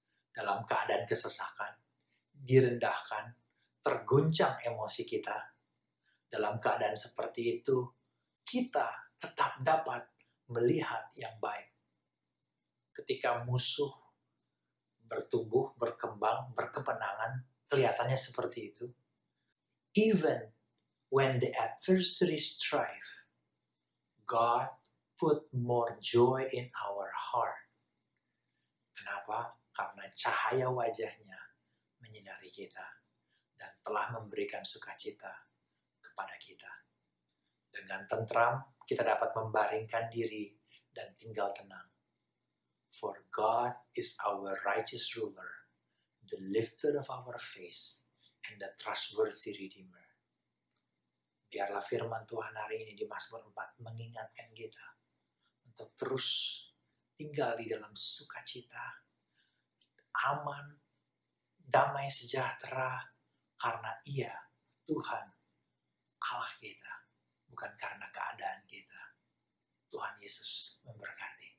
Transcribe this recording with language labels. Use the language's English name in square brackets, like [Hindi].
[Indonesian] Dalam keadaan kesesakan, direndahkan, terguncang emosi kita, dalam keadaan seperti itu, kita tetap dapat melihat yang baik. Ketika musuh bertumbuh, berkembang, berkepenangan, kelihatannya seperti itu. [English] Even when the adversary strive, God put more joy in our heart. [Indonesian] Kenapa? Karena cahaya wajah-Nya menyinari kita dan telah memberikan sukacita kepada kita. Dengan tentram, kita dapat membaringkan diri dan tinggal tenang. [English] For God is our righteous ruler, the lifter of our face, and the trustworthy redeemer. [Indonesian] Biarlah firman Tuhan hari ini di Mazmur 4 mengingatkan kita untuk terus tinggal di dalam sukacita, aman, damai sejahtera, karena Ia, Tuhan, Allah kita, bukan karena keadaan kita. Tuhan Yesus memberkati.